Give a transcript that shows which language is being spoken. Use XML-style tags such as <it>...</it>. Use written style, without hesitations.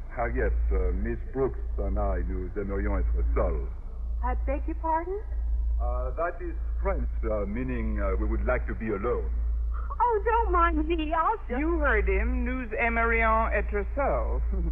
<en>Harriet, Miss Brooks and I,</en> <fr>nous aimerions être seuls.</fr> <en>I beg your pardon? That is friends, meaning we would like to be alone. Oh, don't mind me. I'll just... You heard him.</en> <fr>Nous aimerions être seuls.</fr>